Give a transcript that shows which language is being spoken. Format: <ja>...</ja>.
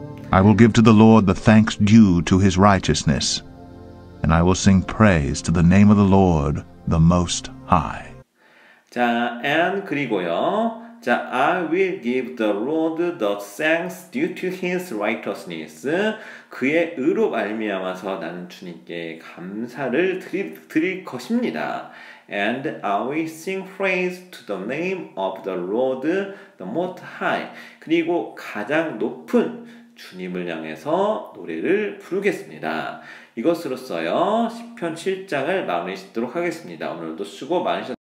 <en>I will give to the Lord the thanks due to his righteousness, and I will sing praise to the name of the Lord, the Most High.</en> <ko>자, and 그리고요.</ko> <en>자, I will give the Lord the thanks due to his righteousness.</en> <ko>그의 의로 말미암아서 나는 주님께 감사를 드릴 것입니다.</ko> <en>And I will sing praise to the name of the Lord the Most High.</en> <ko>그리고 가장 높은 주님을 향해서 노래를 부르겠습니다. 이것으로써요, 시편 7장을 마무리 짓도록 하겠습니다. 오늘도 수고 많으셨습니다.</ko>